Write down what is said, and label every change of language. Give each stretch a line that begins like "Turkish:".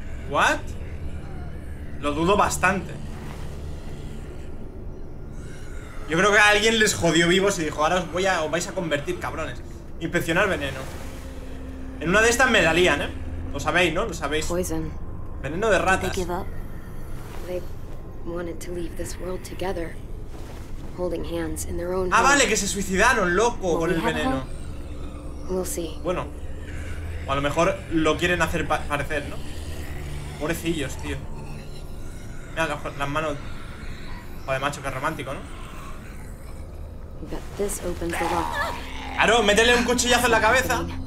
English: What?
Spanish: Lo dudo bastante. Yo creo que a alguien les jodió vivos y dijo, ahora os vais a convertir, cabrones. Inspeccionar veneno. En una de estas me la lían, ¿eh? Lo sabéis, ¿no? Lo sabéis.
English: Poison.
Spanish: Veneno de ratas.
English: They give up. They wanted to leave this world together, holding hands in their own.
Spanish: Ah, vale, que se suicidaron, loco, con el veneno.
English: We'll see.
Spanish: Bueno, o a lo mejor lo quieren hacer parecer, ¿no? Pobrecillos, tío. Mira, las manos. Joder, macho, qué romántico, ¿no?
English: But this opens the lock.
Spanish: Claro, métele un cuchillazo en la cabeza.